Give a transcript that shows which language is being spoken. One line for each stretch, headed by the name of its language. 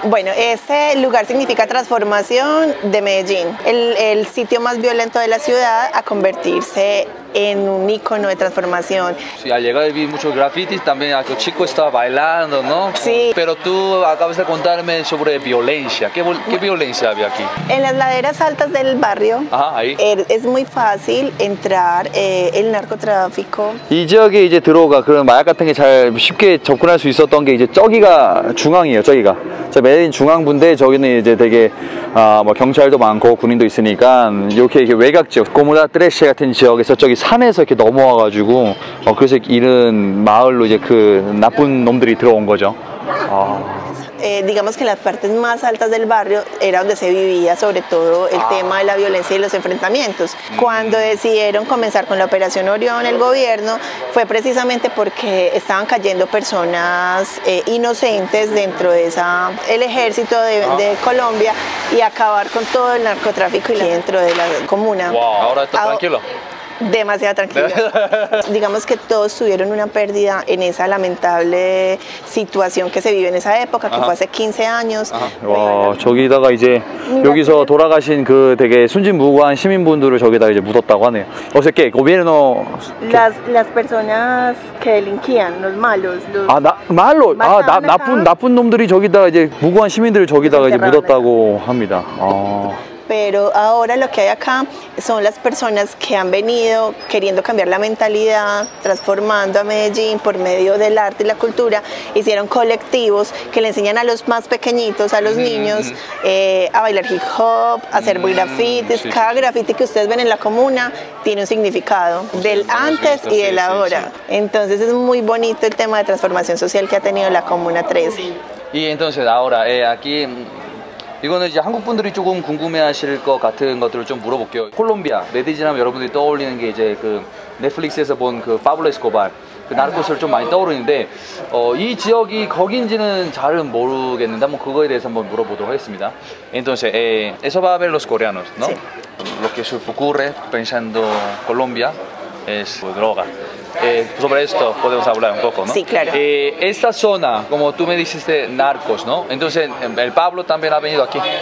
Spanish: Bueno, este lugar significa transformación de Medellín, el sitio más violento de la ciudad a convertirse en un ícono de transformación. Sí, al llegar vi muchos grafitis, también aquel chico estaba bailando, ¿no? Sí. Pero tú acabas de contarme sobre violencia. ¿Qué violencia había aquí? En las laderas altas del barrio. Ajá, ahí. Es muy fácil entrar el narcotráfico.
Korean: 이 지역에 이제 들어오가 그런 마약 같은 게 잘 쉽게 접근할 수 있었던 게 이제 저기가 중앙이에요, 저기가. 저 메인 중앙부인데 저기는 이제 되게 뭐 경찰도 많고 군인도 있으니까 이렇게 이게 외곽 지역, 고무다 트레시 같은 지역에서 저기 산에서 이렇게 넘어와가지고 그래서 이런 마을로 이제 그 나쁜 놈들이 들어온 거죠.
Spanish: digamos que las partes más altas del barrio era donde se vivía sobre todo el tema de la violencia y los enfrentamientos. Cuando decidieron comenzar con la Operación Orión el gobierno, fue precisamente porque estaban cayendo personas inocentes dentro de el ejército de Colombia y acabar con todo el narcotráfico y dentro de la comuna. Wow. Ahora está tranquilo. Demasiado tranquilo. Digamos que todos tuvieron una pérdida en esa lamentable situación que se vive en esa época, que fue hace 15 años.
Korean: Wow, 저기다가 이제 여기서 돌아가신 그 되게 순진무구한 시민분들을 저기다 이제 묻었다고 하네요.
Spanish: O sea, ¿qué? ¿Gobierno? Las personas que delinquían, los malos. ¿Malos?
Korean: Ah, 나쁜 놈들이 저기다 이제 무구한 시민들을 저기다가 이제 묻었다고 합니다.
Spanish: Pero ahora lo que hay acá son las personas que han venido queriendo cambiar la mentalidad, transformando a Medellín por medio del arte y la cultura. Hicieron colectivos que le enseñan a los más pequeñitos, a los niños, a bailar hip hop, a hacer grafitis. Sí. Cada grafiti que ustedes ven en la comuna tiene un significado del antes y del ahora. Entonces es muy bonito el tema de transformación social que ha tenido la Comuna 13. Y entonces ahora aquí...
Korean: 이거는 이제 한국 분들이 조금 궁금해하실 것 같은 것들을 좀 물어볼게요. 콜롬비아, 메디진 하면 여러분들이 떠올리는 게 이제 그 넷플릭스에서 본 그 파블로 에스코발, 그 나르코스를 좀 많이 떠오르는데 이 지역이 거긴지는 잘은 모르겠는데 한번 그거에 대해서 한번 물어보도록 하겠습니다.
Spanish: Entonces, eso va a ver los coreanos, ¿no? Sí. Lo que se ocurre pensando Colombia es droga. Sobre esto podemos hablar un poco, ¿no? Sí, claro. Esta zona, como tú me dijiste, narcos, ¿no? Entonces, ¿el Pablo también ha venido aquí?